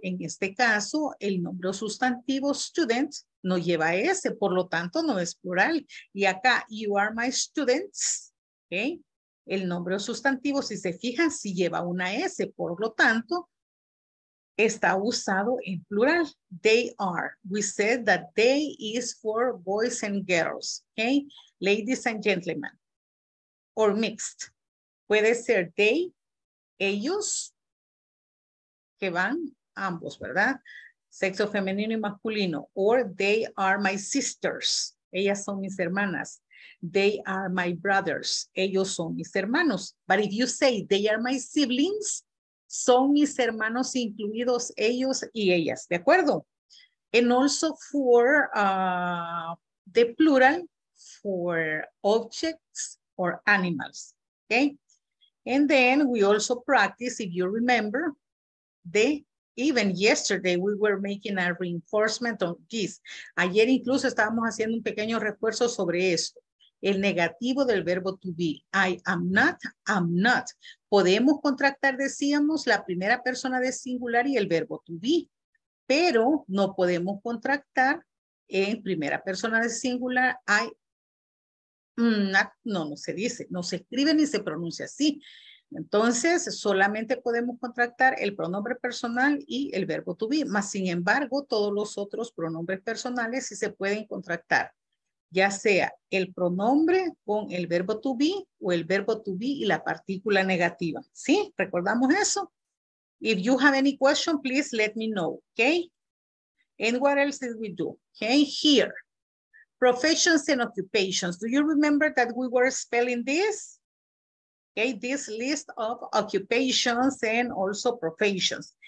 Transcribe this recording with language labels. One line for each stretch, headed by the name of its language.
Spanish: En este caso, el nombre sustantivo student no lleva S, por lo tanto, no es plural. Y acá,
English: you are my students,
Spanish: ¿okay? El nombre sustantivo, si se fijan, sí lleva una S, por lo tanto, está usado en plural.
English: They are. We said that they is for boys and girls, ¿okay? Ladies and gentlemen, or mixed.
Spanish: Puede ser
English: they.
Spanish: Ellos, que van ambos, ¿verdad? Sexo femenino y masculino.
English: Or they are my sisters.
Spanish: Ellas son mis hermanas.
English: They are my brothers.
Spanish: Ellos son mis hermanos.
English: But if you say they are my siblings,
Spanish: son mis hermanos incluidos ellos y ellas, ¿de acuerdo?
English: And also for the plural, for objects or animals, ¿okay? And then we also practice, if you remember, even yesterday we were making a reinforcement on this.
Spanish: Ayer incluso estábamos haciendo un pequeño refuerzo sobre esto. El negativo del verbo
English: to be. I am not, I'm not.
Spanish: Podemos contractar, decíamos, la primera persona de singular y el verbo to be. Pero no podemos contractar en primera persona de singular, I am. No se dice, no se escribe ni se pronuncia así. Entonces, solamente podemos contractar el pronombre personal y el verbo to be. Mas, sin embargo, todos los otros pronombres personales sí se pueden contractar. Ya sea el pronombre con el verbo to be o el verbo to be y la partícula negativa. ¿Sí? ¿Recordamos eso?
English: If you have any question, please let me know. Okay? And what else did we do? Okay, here. Professions and occupations. Do you remember that we were spelling this? Okay, this list of occupations and also professions.